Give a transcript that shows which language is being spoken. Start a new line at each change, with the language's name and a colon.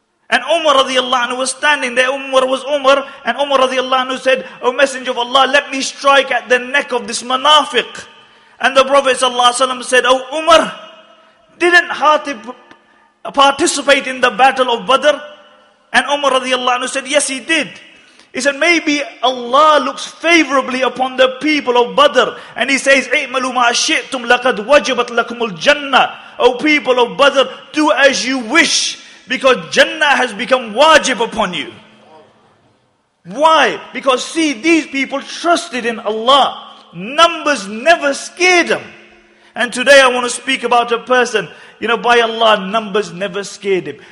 English: And Umar radiallahu anhu was standing there. Umar was Umar. And Umar radiallahu anhu said, O Messenger of Allah, let me strike at the neck of this munafiq. And the Prophet ﷺ said, O Umar, didn't Hatib participate in the battle of Badr? And Umar radiallahu anhu said, yes, he did. He said, maybe Allah looks favorably upon the people of Badr. And he says,
Arabic: اِعْمَلُوا مَا شِئْتُمْ لَقَدْ وَجِبَتْ لَكُمُ الْجَنَّةِ.
English: O people of Badr, do as you wish, because Jannah has become wajib upon you. Why? Because see, these people trusted in Allah. Numbers never scared them. And today I want to speak about a person, you know, by Allah, numbers never scared him.